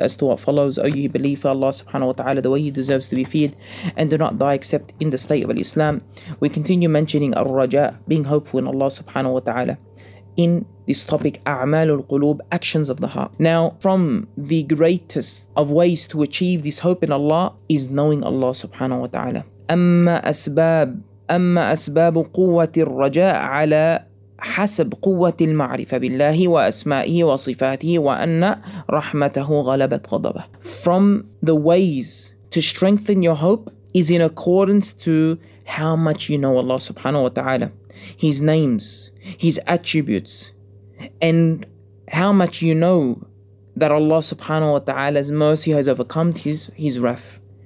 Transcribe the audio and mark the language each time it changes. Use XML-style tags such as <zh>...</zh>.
<en>As to what follows, O ye believer, Allah subhanahu wa ta'ala, the way He deserves to be feared, and do not die except in the state of Islam. We continue mentioning al-raja, being hopeful in Allah subhanahu wa ta'ala, in this topic, a'malul qulub, actions of the heart. Now, from the greatest of ways to achieve this hope in Allah is knowing Allah subhanahu wa ta'ala.</en> <ar>Amma asbab quwwati ar-raja ala حسب قوة المعرفة بالله وأسمائه وصفاته وأن رحمته غلبت غضبه.</ar> <en>From the ways to strengthen your hope is in accordance to how much you know Allah subhanahu wa ta'ala, His names, His attributes, and how much you know that Allah subhanahu wa ta'ala's mercy has overcome His wrath.</en>